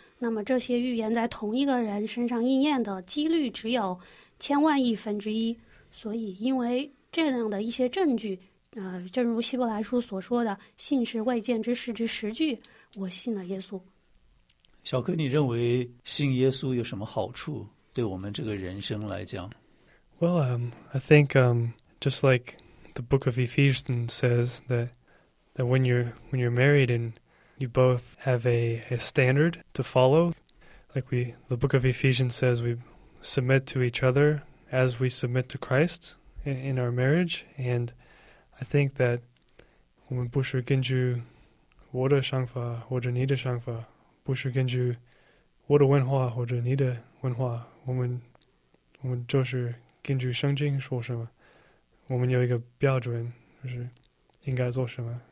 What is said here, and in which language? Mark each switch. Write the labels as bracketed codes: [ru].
[zh] 那么这些预言在同一个人身上应验的几率只有千万亿分之一。所以因为这样的一些证据，正如希伯来书所说的，信是未见之事之实据，我信了耶稣。小柯，你认为信耶稣有什么好处对我们这个人生来讲？ [en] Well, I think just like the book of Ephesians says that when you're married and you both have a standard to follow, like the book of Ephesians says we submit to each otherAs we submit to Christ in our marriage. And I think that [zh] 我们不是根据我的想法或者你的想法，不是根据我的文化或者你的文化，我们就是根据圣经说什么，我们有一个标准，就是应该做什么。